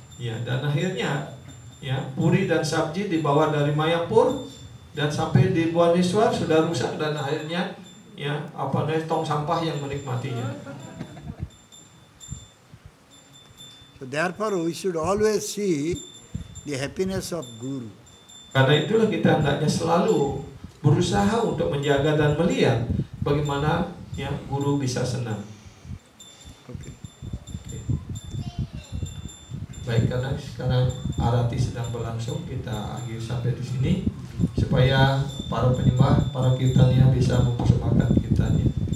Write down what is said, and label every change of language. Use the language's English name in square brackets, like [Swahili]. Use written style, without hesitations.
[Indonesian] Iya, dan akhirnya ya puri dan sabji dibawa dari Mayapur dan sampai di Bhuvaneswar sudah rusak dan akhirnya ya, apa namanya tong sampah yang menikmatinya. [English] So therefore we should always see the happiness of Guru. [Indonesian] Karena itulah kita hendaknya selalu berusaha untuk menjaga dan melihat bagaimana ya Guru bisa senang. [English] Okay. [Indonesian] Baik, karena sekarang arati sedang berlangsung, kita akhir sampai di sini supaya para penyembah, para kirtania bisa mempersembahkan kirtania.